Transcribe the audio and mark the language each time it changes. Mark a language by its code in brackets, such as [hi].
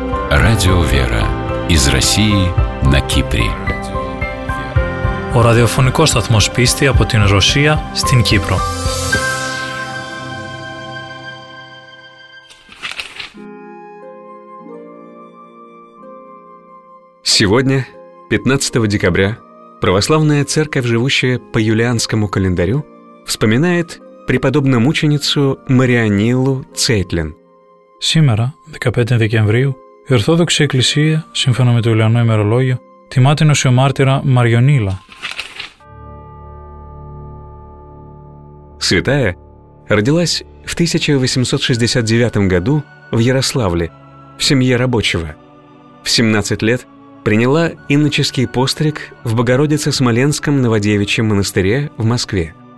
[ru] Радио «Вера» из России на Кипре. [el] Ο ραδιοφωνικός σταθμός πίστη από την Ρωσία στην Κύπρο. [ru] Сегодня, 15 декабря, православная церковь, живущая по юлианскому календарю, вспоминает преподобную мученицу Марианилу Цейтлин. Сегодня, 15 декабря, [el] η Ορθόδοξη Εκκλησία, σύμφωνα με το Ιουλιανό ημερολόγιο, τιμά την οσιομάρτυρα Μαριονίλα. [ru] Святая родилась в 1869 году в Ярославле, в семье рабочего. В 17 лет приняла иноческий постриг в Богородице-Смоленском Новодевичьем монастыре в Москве.